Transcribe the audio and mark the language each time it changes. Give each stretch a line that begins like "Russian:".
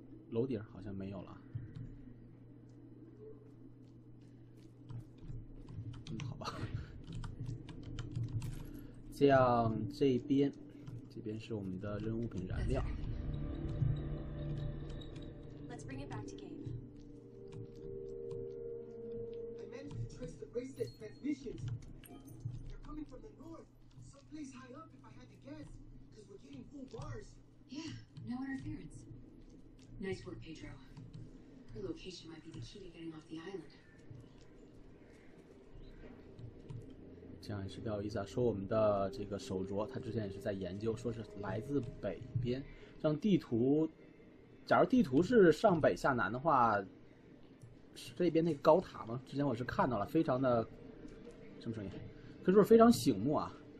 Chinese: 楼顶好像没有了。这样，这边是我们的任务品燃料。
English: Let's bring it back to Gabe. I managed to trace the bracelet transmissions. They're coming from the north, someplace high up, if I had to guess, because we're getting full bars. Yeah, no interference. Nice work, Pedro. Her location might be the key to getting off the island.
Chinese: 这样也是比较有意思啊。说我们的这个手镯，他之前也是在研究，说是来自北边。像地图，假如地图是上北下南的话，是这边那个高塔吗？之前我是看到了，非常的什么声音？可是非常醒目啊。